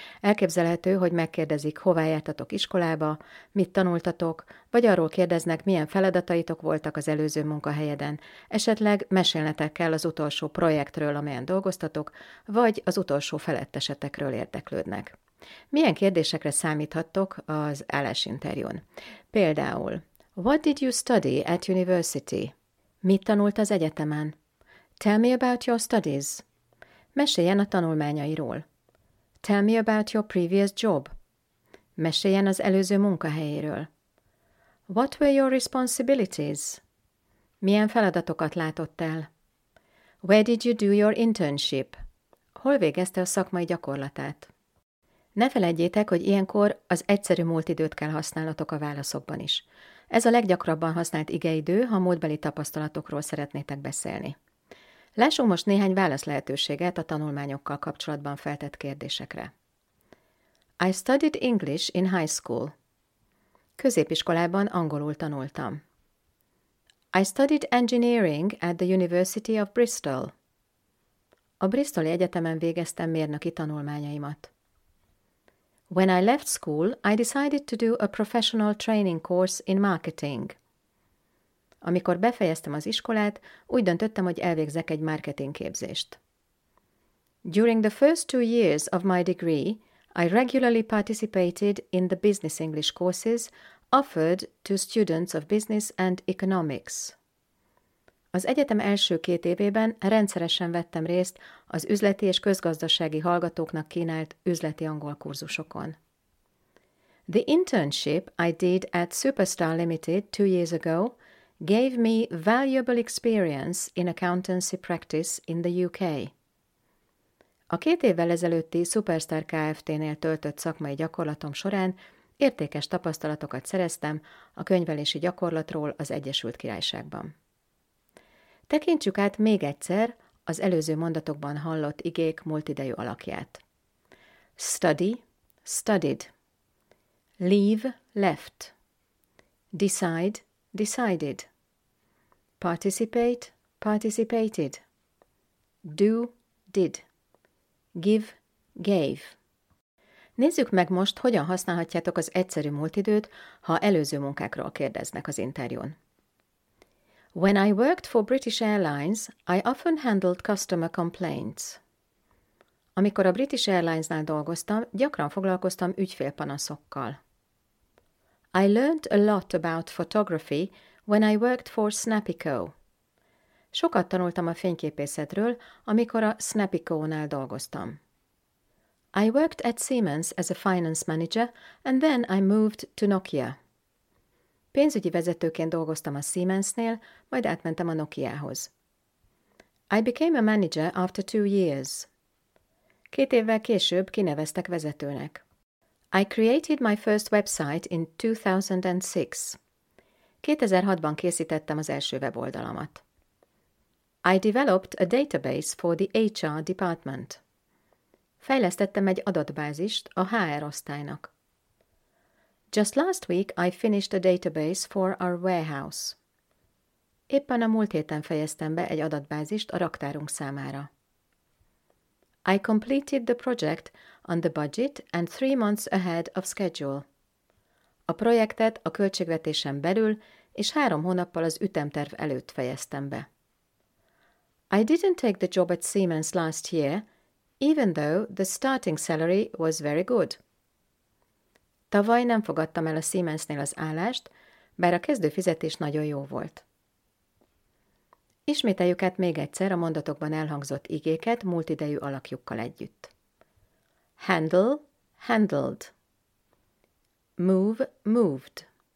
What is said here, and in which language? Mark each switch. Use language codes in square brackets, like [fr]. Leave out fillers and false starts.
[hu] Elképzelhető, hogy megkérdezik, hová jártatok iskolába, mit tanultatok, vagy arról kérdeznek, milyen feladataitok voltak az előző munkahelyeden. Esetleg mesélnetek kell az utolsó projektről, amelyen dolgoztatok, vagy az utolsó felettesetekről érdeklődnek. Milyen kérdésekre számíthattok az állásinterjún? Például... [en] What did you study at university? [hu] Mit tanult az egyetemen? [en] Tell me about your studies. [hu] Meséljen a tanulmányairól. [en] Tell me about your previous job. [hu] Meséljen az előző munkahelyéről. [en] What were your responsibilities? [hu] Milyen feladatokat látott el? [en] Where did you do your internship? [hu] Hol végezte a szakmai gyakorlatát? Ne feledjétek, hogy ilyenkor az egyszerű múltidőt kell használnotok a válaszokban is. Ez a leggyakrabban használt igeidő, ha múltbeli tapasztalatokról szeretnétek beszélni. Lássunk most néhány válaszlehetőséget a tanulmányokkal kapcsolatban feltett kérdésekre. [en] I studied English in high school. [hu] Középiskolában angolul tanultam. [en] I studied engineering at the University of Bristol. [hu] A Bristoli Egyetemen végeztem mérnöki tanulmányaimat. [en] When I left school, I decided to do a professional training course in marketing. [hu] Amikor befejeztem az iskolát, úgy döntöttem, hogy elvégzek egy marketing képzést. [en] During the first 2 years of my degree, I regularly participated in the business English courses offered to students of business and economics. [hu] Az egyetem első 2 évében rendszeresen vettem részt az üzleti és közgazdasági hallgatóknak kínált üzleti angol kurzusokon. [en] The internship I did at Superstar Limited 2 years ago gave me valuable experience in accountancy practice in the UK. [hu] A 2 évvel ezelőtti Superstar Kft-nél töltött szakmai gyakorlatom során értékes tapasztalatokat szereztem a könyvelési gyakorlatról az Egyesült Királyságban. Tekintsük át még egyszer az előző mondatokban hallott igék múltidejű alakját. [en] Study, studied. Leave, left. Decide, decided. Participate, participated. Do, did. Give, gave. [hu] Nézzük meg most, hogyan használhatjátok az egyszerű múltidőt, ha előző munkákról kérdeznek az interjún. [en] When I worked for British Airlines, I often handled customer complaints. [hu] Amikor a British Airlines-nál dolgoztam, gyakran foglalkoztam ügyfélpanaszokkal. [en] I learned a lot about photography when I worked for Snapico. [hu] Sokat tanultam a fényképészetről, amikor a Snapico-nál dolgoztam. [en] I worked at Siemens as a finance manager, and then I moved to Nokia. [hu] Pénzügyi vezetőként dolgoztam a Siemensnél, majd átmentem a Nokiához. [en] I became a manager after 2 years. [hu] 2 évvel később kineveztek vezetőnek. [en] I created my first website in 2006. [hu] 2006-ban készítettem az első weboldalamat. [en] I developed a database for the HR department. [hu] Fejlesztettem egy adatbázist a HR osztálynak. [en] Just last week I finished a database for our warehouse. [hu] Éppen a múlt héten fejeztem be egy adatbázist a raktárunk számára. [en] I completed the project on the budget and 3 months ahead of schedule. [hu] A projektet a költségvetésen belül és 3 hónappal az ütemterv előtt fejeztem be. [en] I didn't take the job at Siemens last year, even though the starting salary was very good. [hu] Tavaly nem fogadtam el a Siemensnél az állást, bár a kezdő fizetés nagyon jó volt. Ismételjük át még egyszer a mondatokban elhangzott igéket múltidejű alakjukkal együtt. [en] Handle, handled. Move, moved.